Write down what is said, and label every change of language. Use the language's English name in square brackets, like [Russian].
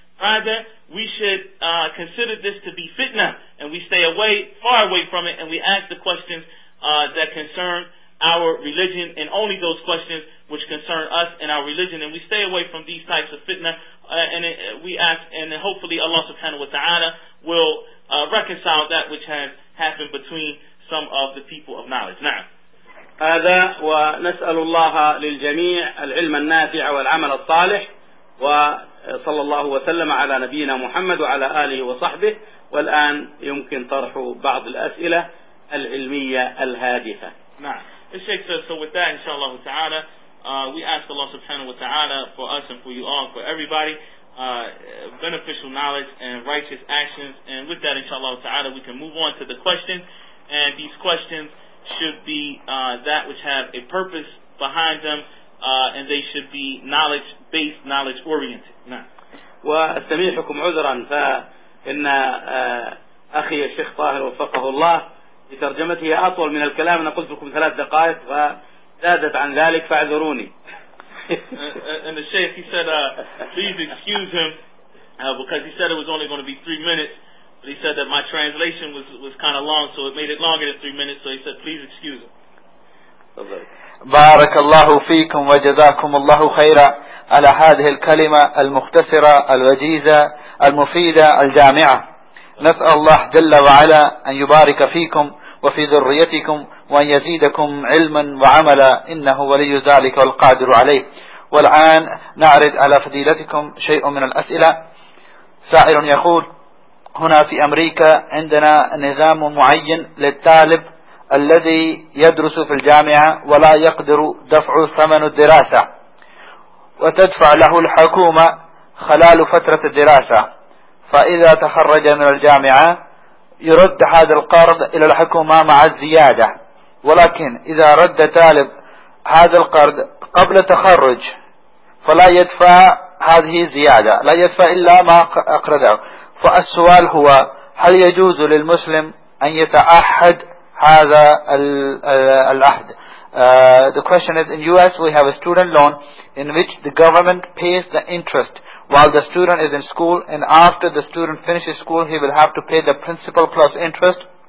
[English] Rather, we should consider this to be fitna, and we stay away, far away from it, and we ask the questions that concern our religion, and only those questions which concern us and our religion, and we stay away from these types of fitna, and hopefully Allah subhanahu wa ta'ala will reconcile that which has happened between some of the people of knowledge. Now, [Arabic] هذا ونسأل الله للجميع العلم النافع والعمل الصالح وصلى الله وسلم على نبينا محمد وعلى آله وصحبه والآن يمكن طرح بعض الأسئلة العلمية الهادفة. نعم. [English] الشيخ says, so with that, inshallah ta'ala, we ask Allah subhanahu wa ta'ala for us and for you all, for everybody, beneficial knowledge and righteous actions. And with that, inshallah ta'ala, we can move on to the questions. And these questions should be that which have a purpose behind them, and they should be knowledge-based, knowledge-oriented. [Arabic] وأستميحكم عذرا فإن أخي الشيخ طاهر وفقه الله لترجمته أطول من الكلام. أنا قلت لكم ثلاث دقائق فزادت عن ذلك فاعذروني. [English] And the Sheikh, he said, please excuse him, because he said it was only going to be 3 minutes. But he said that my translation was kind of long, so it made it longer than 3 minutes. So he said, please excuse him. [Arabic] بارك الله فيكم وجزاكم الله خيرا على هذه الكلمة المختصرة الوجيزة المفيدة الجامعة. نسأل الله جل وعلا أن يبارك فيكم وفي ذريتكم وأن يزيدكم علما وعملا, إنه ولي ذلك والقادر عليه. والآن نعرض على فضيلتكم شيء من الأسئلة. سائر يقول, هنا في أمريكا عندنا نظام معين للطالب الذي يدرس في الجامعة ولا يقدر دفع ثمن الدراسة, وتدفع له الحكومة خلال فترة الدراسة, فإذا تخرج من الجامعة يرد هذا القرض إلى الحكومة مع الزيادة. ولكن إذا رد طالب هذا القرض قبل التخرج فلا يدفع هذه الزيادة, لا يدفع إلا ما أقرضه. فالسؤال هو, هل يجوز للمسلم أن يتعهد هذا العهد؟ [English] The question is, in US we have a student loan in which the government pays the interest while the student is in school, and after the student finishes school he will have to pay the principal plus interest.